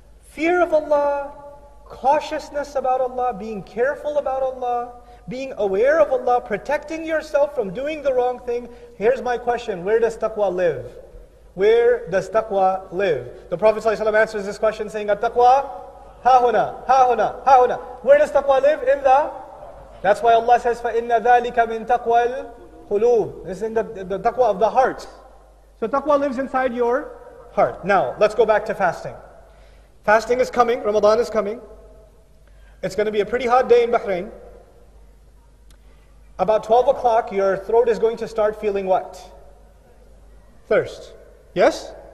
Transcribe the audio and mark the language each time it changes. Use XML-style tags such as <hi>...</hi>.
<en>Fear of Allah, cautiousness about Allah, being careful about Allah, being aware of Allah, protecting yourself from doing the wrong thing. Here's my question, where does taqwa live? Where does taqwa live? The Prophet ﷺ answers this question saying, At-taqwa, ha-huna, ha-huna, ha-huna. Where does taqwa live? In the? That's why Allah says,</en> <ar>فَإِنَّ ذَٰلِكَ مِنْ تَقْوَى الْقُلُوبِ.</ar> <en>This is in the taqwa of the heart. So taqwa lives inside your heart. Now, let's go back to fasting. Fasting is coming, Ramadan is coming. It's going to be a pretty hot day in Bahrain. About 12 o'clock, your throat is going to start feeling what? Thirst. Yes?</en>